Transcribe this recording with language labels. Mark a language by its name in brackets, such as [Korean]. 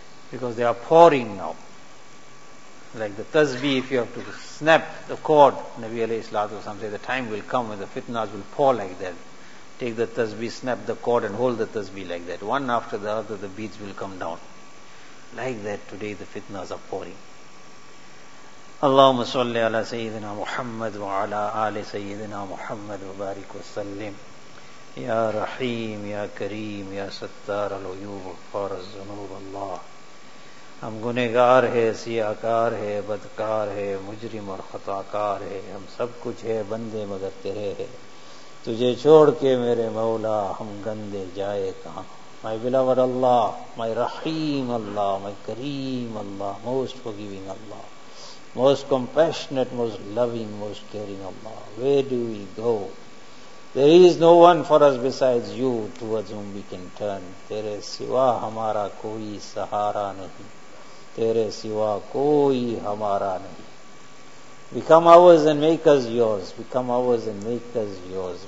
[English] Because they are pouring now. Like the tasbih, if you have to snap the cord, Nabi alayhi salatu wasalam said, the time will come when the fitnas will pour like that. Take the tasbih, snap the cord and hold the tasbih like that. One after the other, the beads will come down. Like that today the fitnas are pouring. [Arabic] اللهم صل على سيدنا محمد وعلى آل سيدنا محمد وبارك وسلم يا رحيم يا كريم يا ستار العيوب غفار الذنوب الله [Urdu] ہم گنہگار ہے سیاہکار ہے بدکار ہے مجرم اور خطاکار ہے ہم سب کچھ ہے بندے مگر تیرے ہے تجھے چھوڑ کے میرے مولا ہم گندے جائے کہاں [English] My beloved Allah, my Rahim Allah, my Kareem Allah, most forgiving Allah, most compassionate, most loving, most caring Allah. Where do we go? There is no one for us besides you towards whom we can turn. [Urdu] Tere siwa hamara koi sahara nahi. Tere siwa koi hamara nahi. [English] Become ours and make us yours. Become ours and make us yours.